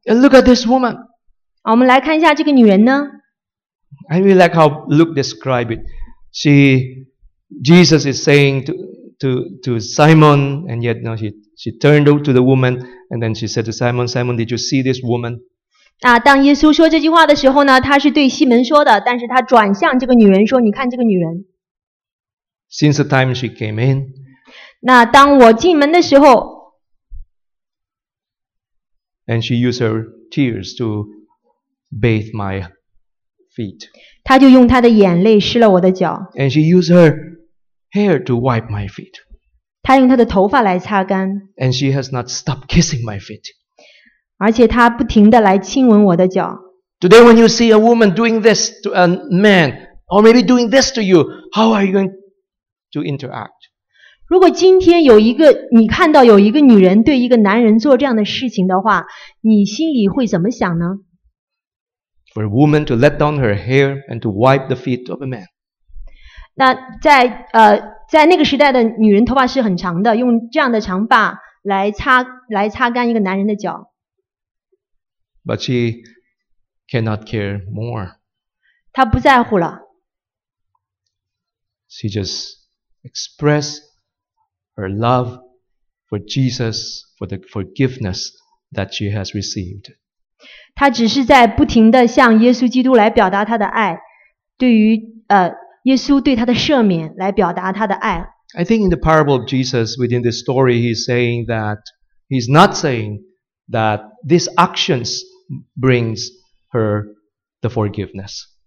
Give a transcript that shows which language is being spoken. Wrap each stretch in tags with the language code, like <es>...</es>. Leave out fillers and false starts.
<en>And look at this woman.</en> <zh>我们来看一下这个女人呢。</zh> <en>I really like how Luke described it. Jesus is saying to Simon, and yet now she turned to the woman, and then she said to Simon, "Simon, did you see this woman?"</en> <zh>当耶稣说这句话的时候呢，他是对西门说的，但是他转向这个女人说，你看这个女人。</zh> <en>Since the time she came in,</en> <zh>那当我进门的时候</zh> <en>，and she used her tears to bathe my feet.</en> <zh>她就用她的眼泪湿了我的脚。</zh> <en>And she used her hair to wipe my feet.</en> <zh>她用她的头发来擦干。</zh> <en>And she has not stopped kissing my feet.</en> <zh>而且她不停地来亲吻我的脚。</zh> <en>Today when you see a woman doing this to a man, or maybe doing this to you, how are you going to interact?</en> <zh>如果今天有一个你看到有一个女人对一个男人做这样的事情的话，你心里会怎么想呢？</zh> <en>For a woman to let down her hair and to wipe the feet of a man.</en> <zh>那在在那个时代的女人头发是很长的，用这样的长发来擦干一个男人的脚。</zh> <en>But she cannot care more.</en> <zh>她不在乎了。</zh> <en>She just expressed her love for Jesus, for the forgiveness that she has received.</en> <zh>她只是在不停地向耶稣基督来表达她的爱，对于耶稣对她的赦免来表达她的爱。</zh> <en>I think in the parable of Jesus, within this story, he's not saying that these actions brings her the forgiveness.</en>